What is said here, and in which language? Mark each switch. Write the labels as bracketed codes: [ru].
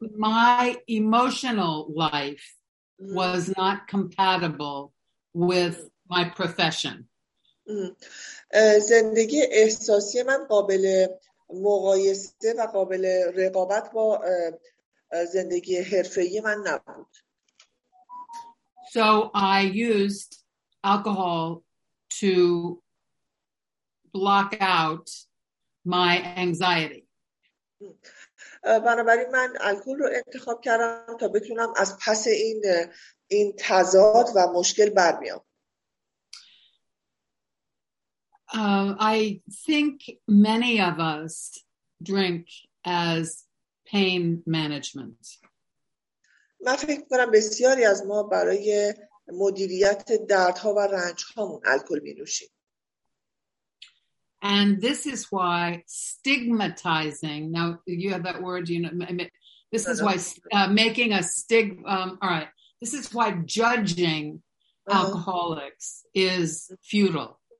[en] My emotional life was not compatible with my profession. [fa] زندگی احساسی من قابل مقایسه و قابل رقابت با زندگی حرفه‌ای من نبود. [en] So I used alcohol to block out my anxiety. [fa] بنابراین من الکل رو انتخاب کردم تا بتونم از پس این تضاد و مشکل بر بیام. [en] I think many of us drink as pain management. [fa] من فکر می‌کنم بسیاری از ما برای مدیریت دردها و رنج‌هامون الکل می‌نوشیم. [en] And this is why stigmatizing. Now you have that word. You know, this is why making a stigma. All right. This is why judging alcoholics is futile.